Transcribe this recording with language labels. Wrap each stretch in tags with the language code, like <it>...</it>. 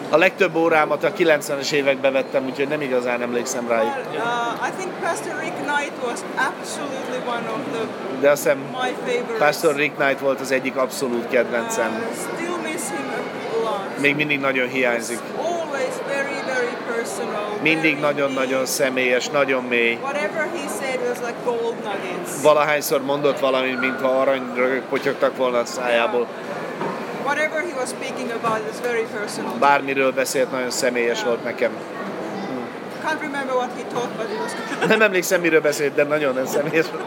<hu>A legtöbb órámat a 90-es években vettem, úgyhogy nem igazán emlékszem rájuk.</hu> <en>I think Pastor Rick Knight was absolutely one of the</en> <hu>De azt hiszem,</hu> <en>my favorites.</en> <hu>Pastor Rick Knight volt az egyik abszolút kedvencem.</hu> <en>Still miss him a lot.</en> <hu>Még mindig nagyon hiányzik.</hu> <en>Always very, very personal.</en> <hu>Mindig nagyon-nagyon személyes, nagyon mély.</hu> <en>Whatever he said was like gold nuggets.</en> <hu>Valahányszor mondott valamit, mintha aranyrögök potyogtak volna a szájából.</hu> <en>Yeah. Whatever he was speaking about was very personal.</en> <hu>Bármiről beszélt, nagyon személyes yeah. volt nekem. Hmm.</hu> <en>Can't remember what he taught, but it was good.</en> <hu>Nem emlékszem, miről beszélt, de nagyon személyes.</hu>